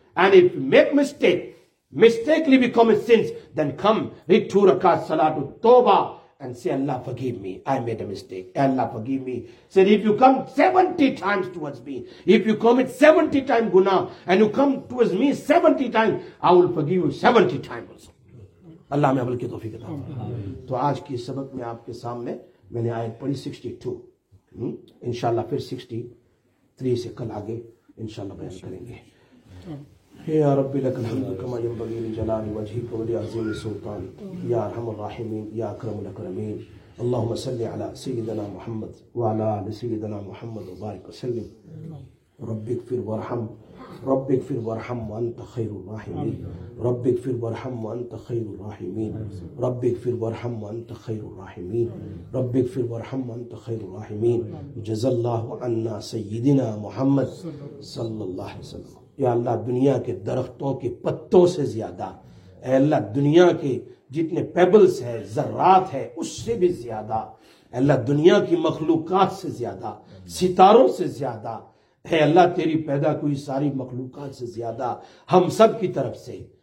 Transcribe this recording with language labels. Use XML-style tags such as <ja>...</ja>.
<en>And if we make mistakely we commit sins, then come, read 2 rakat salatu toba, and say, Allah forgive me, I made a mistake, Allah forgive me. Said, if you come 70 times towards me, if you commit 70 times guna, and you come towards me 70 times, I will forgive you 70 times also.</en> <ur>اللہ ہمیں عمل کی توفیق عطا فرمائے. تو آج کی سبق میں آپ کے سامنے میں نے آیت پڑھی 62, انشاءاللہ پھر 63 سے کل آگے انشاءاللہ بیان کریں گے.</ur> <ar>یا رب لک الحمد کما ینبغی لجلال وجهک ولعظیم سلطانک یا ارحم الراحمین یا اکرم الاکرمین. اللهم صل على سيدنا محمد وعلى آل سيدنا محمد وبارك وسلم. رب اغفر وارحم, رب اغفر وارحم وانت خير الراحمين, رب اغفر وارحم وانت خير الراحمين, رب اغفر وارحم وانت خير الراحمين, رب اغفر وارحم وانت خير الراحمين. جزا الله عنا سيدنا محمد صلى الله عليه وسلم.</ar> <ur>يا الله دنیا کے درختوں کے پتوں سے زیادہ, اے اللہ دنیا کے جتنے پیبلز ہیں ذرات ہیں اس سے بھی زیادہ, اے اللہ دنیا کی مخلوقات سے زیادہ, ستاروں سے زیادہ, اے اللہ تیری پیدا کوئی ساری مخلوقات سے زیادہ, ہم سب کی طرف سے,</ur>